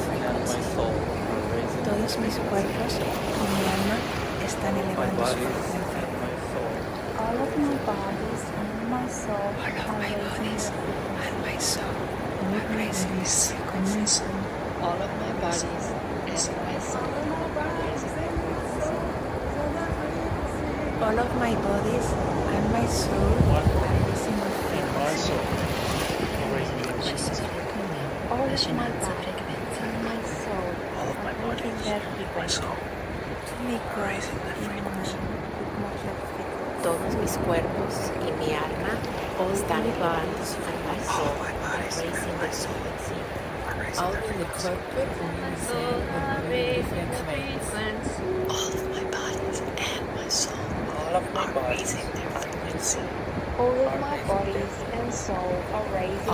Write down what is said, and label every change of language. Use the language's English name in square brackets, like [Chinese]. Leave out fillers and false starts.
[Spanish] Todos mis cuerpos y mi alma están elevando su frecuencia. [English] All of my bodies and my soul are raising their frequencies. All of my bodies All of my bodies and my soul are raising their frequencies. [Spanish] Todos mis cuerpos y mi alma están elevando su frecuencia. [English] All of my bodies and my soul are raising their frequency. All of my bodies and soul are raising